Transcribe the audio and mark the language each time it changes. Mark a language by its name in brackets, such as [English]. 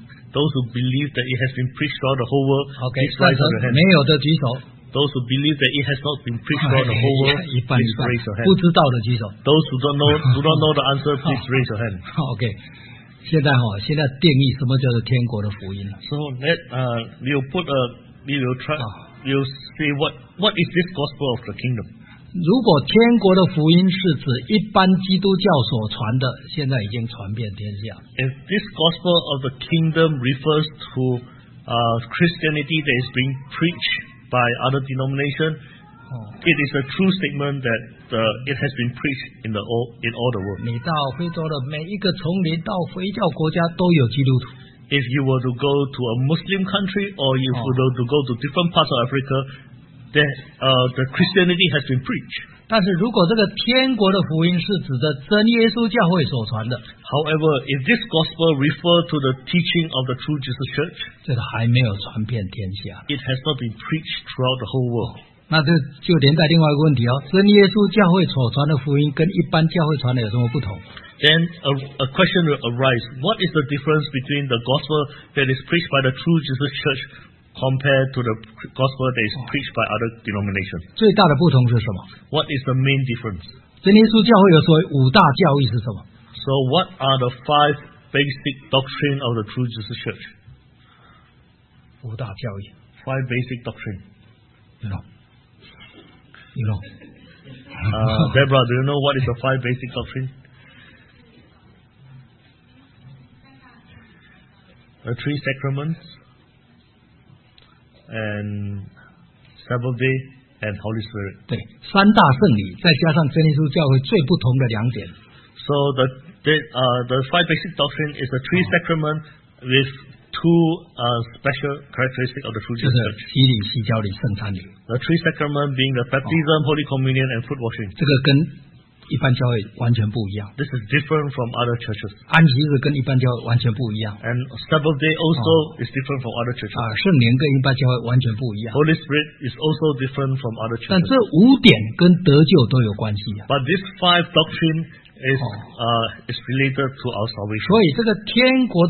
[English] Those who believe that it has been preached throughout the whole world, okay, please raise your hand. [Chinese] 赞成没有的举手。 [English] Those who believe that it has not been preached throughout the whole world, please raise your hand. [Chinese] 不知道的举手。 [English] Those who do not know the answer, please raise your hand. Okay. [Chinese] 现在定义什么叫做天国的福音。 [English] So let we'll say what is this gospel of the kingdom? [Chinese] 如果天国的福音是指一般基督教所传的，现在已经传遍天下。 [English] If this gospel of the kingdom refers to Christianity that is being preached by other denomination, it is a true statement that. It has been preached in all the world. [Chinese] 你到非洲的每一个丛林，到回教国家都有基督徒。 [English] If you were to go to a Muslim country, or if you were to go to different parts of Africa, the Christianity has been preached. [Chinese] 但是如果这个天国的福音是指的真耶稣教会所传的 [English] ，However, if this gospel refers to the teaching of the true Jesus Church, [Chinese] 这个还没有传遍天下。 [English] It has not been preached throughout the whole world. [Chinese] 那就连带另外一个问题哦，真耶稣教会所传的福音跟一般教会传的有什么不同 [English] ？Then a question will arise: What is the difference between the gospel that is preached by the true Jesus Church compared to the gospel that is preached by other denominations? [Chinese] 最大的不同是什么 [English] ？What is the main difference? [Chinese] 真耶稣教会有所谓五大教义是什么 [English] ？So what are the five basic doctrine of the true Jesus Church? [Chinese] 五大教义 [English] ，five basic doctrine. No. Deborah, do you know what is the five basic doctrine? The three sacraments and Sabbath day and Holy Spirit. [Chinese] 对，三大圣礼再加上真耶稣教会最不同的两点。 [English] So the The five basic doctrine is the three sacraments with two special characteristics of the true church. [Chinese] 洗礼、洗教礼、圣餐礼. [English] The three sacraments being the baptism, holy communion, and foot washing. [Chinese] 这个跟一般教会完全不一样. [English] This is different from other churches. [Chinese] 安息日跟一般教会完全不一样. [English] And Sabbath day also is different from other churches. [Chinese] 圣灵跟一般教会完全不一样. [English] Holy Spirit is also different from other churches. [Chinese] 但这五点跟得救都有关系. [English] But these five doctrines is related to our salvation.